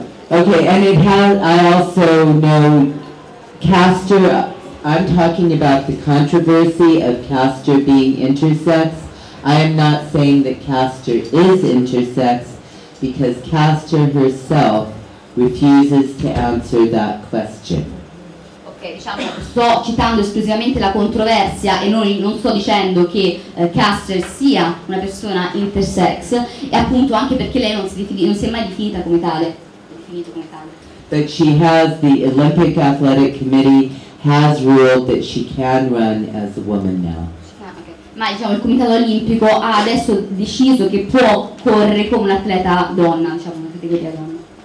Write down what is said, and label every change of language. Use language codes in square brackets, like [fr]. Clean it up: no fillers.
[en] Okay, and I also know Castor, I'm talking about the controversy of Castor being intersex. I am not saying that Castor is intersex, because Castor herself refuses to answer that question. [it] Sto citando esclusivamente la controversia e non sto dicendo che Caster sia una persona intersex, e appunto anche perché lei non si è mai definita come tale. [en] But she has, the Olympic Athletic Committee has ruled that she can run as a woman now. [it] Ma il Comitato Olimpico ha adesso deciso che può correre come un'atleta donna, una categoria donna.